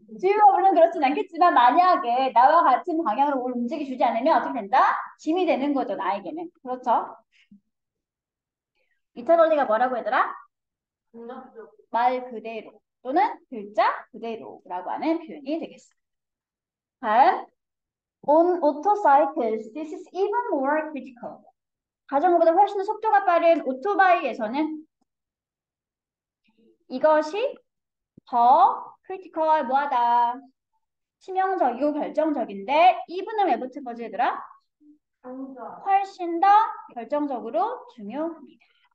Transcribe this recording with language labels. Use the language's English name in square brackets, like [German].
[Korean] 지유가 물론 그렇진 않겠지만 만약에 나와 같은 방향으로 몸을 움직여주지 않으면 어떻게 된다? 짐이 되는 거죠, 나에게는. 그렇죠? 이터널리가 뭐라고 해더라? 말 그대로. 또는 글자 그대로라고 하는 표현이 되겠습니다. [English] 다음, on motorcycles, this is even more critical. [Korean] 자전거보다 훨씬 속도가 빠른 오토바이에서는 이것이 더 크리티컬 뭐하다. 치명적이고 결정적인데, even을 왜 붙은 거지, 얘들아? 훨씬 더 결정적으로 중요합니다.